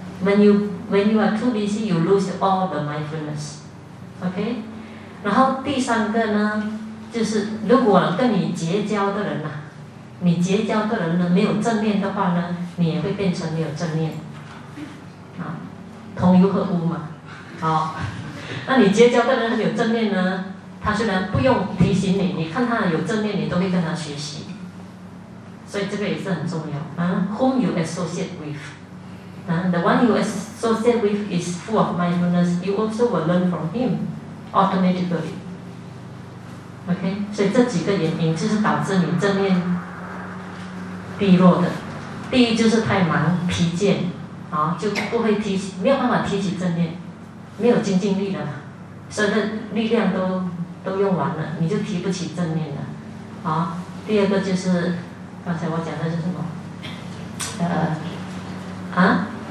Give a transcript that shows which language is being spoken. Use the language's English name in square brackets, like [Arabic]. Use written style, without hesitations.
[English] When you are too busy, you lose all the mindfulness. OK. [Chinese] 然后第三个呢，就是如果跟你结交的人呐、啊，你结交的人呢没有正念的话呢，你也会变成没有正念。啊，同流合污嘛。好、啊，那你结交的人有正念呢，他虽然不用提醒你，你看他有正念，你都会跟他学习。所以这个也是很重要、 [English] Whom you associate with、the one you associate with is full of mindfulness, you also will learn from him automatically. [Chinese] OK, 所以这几个原因就是导致你正念低落的。第一就是太忙疲倦、啊、就不会提起，没有办法提起正念，没有精进力了嘛，所以力量 都用完了，你就提不起正念了、啊、第二个就是刚才我讲的是什么？